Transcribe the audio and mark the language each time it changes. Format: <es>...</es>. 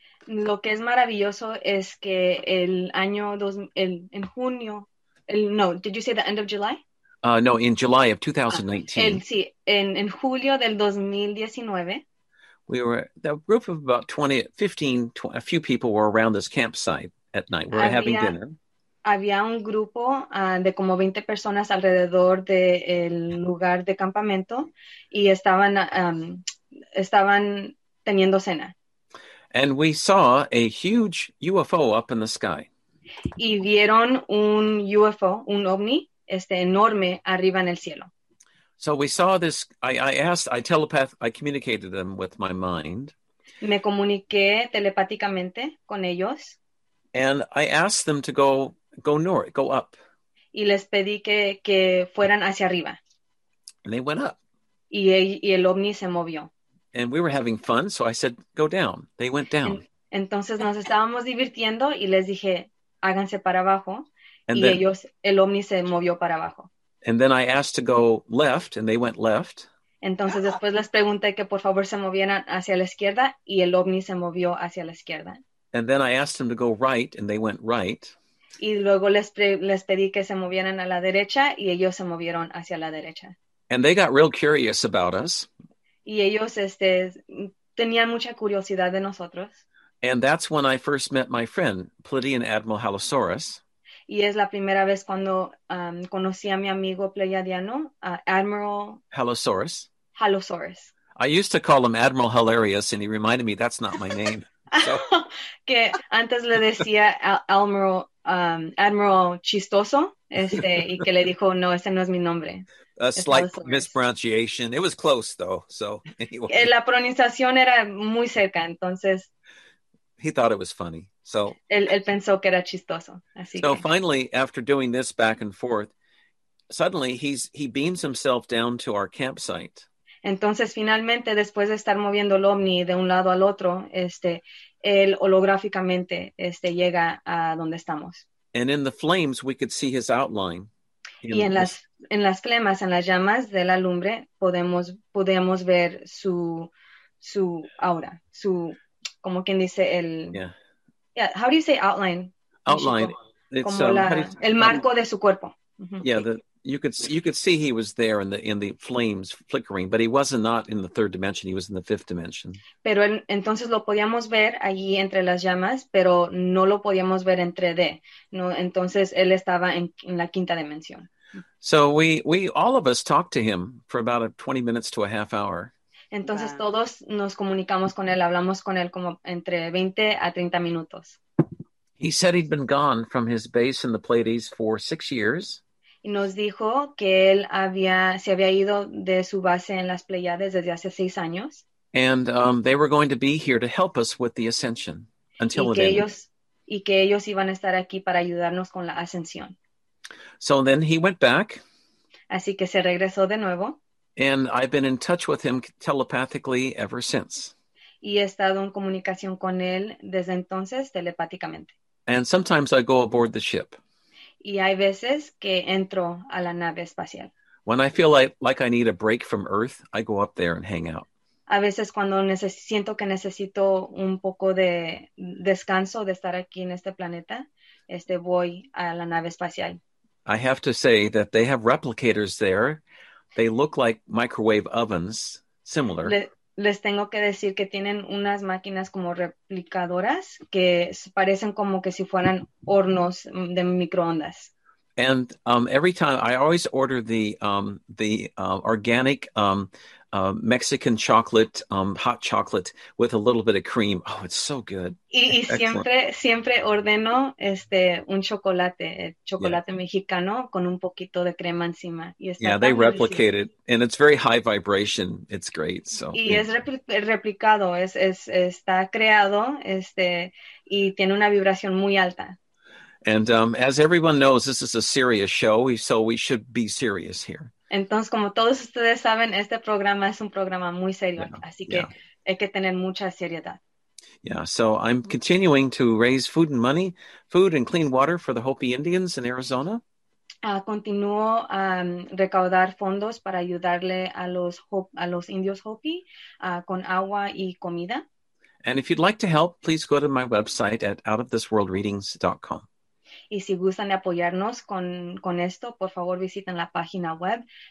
<es>lo que es maravilloso es que el año en junio,</es> <en>did you say the end of July? No, in July of 2019.</en> <es>En julio del 2019.</es> <en>We were, the group of about 15, a few people were around this campsite at night. We were having dinner.</en> <es>Había un grupo de como 20 personas alrededor del lugar de campamento y estaban teniendo cena.</es> <en>And we saw a huge UFO up in the sky.</en> <es>Y vieron un UFO, un ovni, enorme arriba en el cielo.</es> <en>So we saw this, I communicated them with my mind.</en> <es>Me comuniqué telepáticamente con ellos.</es> <en>And I asked them to go north, go up.</en> <es>Y les pedí que fueran hacia arriba.</es> <en>And they went up.</en> <es>Y el ovni se movió.</es> <en>And we were having fun, so I said, go down. They went down.</en> <es>Entonces nos estábamos divirtiendo y les dije, háganse para abajo. And el ovni se movió para abajo.</es> <en>And then I asked to go left, and they went left.</en> <es>Entonces después les pregunté que por favor se movieran hacia la izquierda, y el ovni se movió hacia la izquierda.</es> <en>And then I asked them to go right, and they went right.</en> <es>Y luego les pedí que se movieran a la derecha, y ellos se movieron hacia la derecha.</es> <en>And they got real curious about us.</en> <es>Y ellos tenían mucha curiosidad de nosotros.</es> <en>And that's when I first met my friend, Pleiadian Admiral Halosaurus.</en> <es>Y es la primera vez cuando conocí a mi amigo pleiadiano, Admiral Halosaurus. Halosaurus.</es> <en>I used to call him Admiral Hilarious, and he reminded me that's not my name. So.</en> <es>Que antes le decía Admiral Chistoso, y que le dijo, no, ese no es mi nombre.</es> <en>A slight mispronunciation. It was close, though. So anyway.</en> <es>La pronunciación era muy cerca, entonces.</es> <en>He thought it was funny. So.</en> <es>Él pensó que era chistoso. Así</es> <en>so</en> <es>que.</es> <en>Finally, after doing this back and forth, suddenly he beams himself down to our campsite.</en> <es>Entonces, finalmente, después de estar moviendo el ovni de un lado al otro, él holográficamente llega a donde estamos.</es> <en>And in the flames, we could see his outline.</en> <es>Y en las flemas, en las llamas de la lumbre, podemos ver su aura, su, como quien dice,</es> <en>how do you say outline? Outline.</en> <es>It's, como el marco de su cuerpo. Mm-hmm.</es> <en>Yeah, you could see he was there in the flames flickering, but he was not in the third dimension, he was in the fifth dimension.</en> <es>Pero entonces lo podíamos ver allí entre las llamas, pero no lo podíamos ver en 3D, ¿no? Entonces él estaba en la quinta dimensión.</es> <en>So we all of us talked to him for about 20 minutes to a half hour.</en> <es>Entonces todos nos comunicamos con él, hablamos con él como entre 20 a 30 minutos.</es> <en>He said he'd been gone from his base in the Pleiades for 6 years.</en> <es>Y nos dijo que él se había ido de su base en las Pleiades desde hace 6 años.</es> <en>And they were going to be here to help us with the ascension until it ended.</en> <es>Y que ellos iban a estar aquí para ayudarnos con la ascensión.</es> <en>So then he went back.</en> <es>Así que se regresó de nuevo.</es> <en>And I've been in touch with him telepathically ever since.</en> <es>Y he estado en comunicación con él desde entonces telepáticamente.</es> <en>And sometimes I go aboard the ship.</en> <es>Y hay veces que entro a la nave espacial.</es> <en>When I feel like I need a break from Earth, I go up there and hang out.</en> <es>A veces cuando siento que necesito un poco de descanso de estar aquí en este planeta, voy a la nave espacial.</es> <en>I have to say that they have replicators there. They look like microwave ovens, similar.</en> <es>Les tengo que decir que tienen unas máquinas como replicadoras que parecen como que si fueran hornos de microondas.</es> <en>And every time, I always order the organic Mexican chocolate, hot chocolate with a little bit of cream. Oh, it's so good.</en> <es>Y siempre ordeno un chocolate mexicano con un poquito de crema encima. Y está</es> <en>yeah, they replicate</en> <es>delicioso.</es> <en>It. And it's very high vibration. It's great. So,</en> <es>y es replicado. Está creado y tiene una vibración muy alta.</es> <en>And as everyone knows, this is a serious show, so we should be serious here.</en> <es>Entonces, como todos ustedes saben, este programa es un programa muy serio, así que hay que tener mucha seriedad.</es> <en>Yeah, so I'm continuing to raise food and money, food and clean water for the Hopi Indians in Arizona.</en> <es>Continúo a recaudar fondos para ayudarle a los indios Hopi con agua y comida.</es> <en>And if you'd like to help, please go to my website at outofthisworldreadings.com.</en> <es>Y si gustan apoyarnos con esto, por favor visiten la página web</es>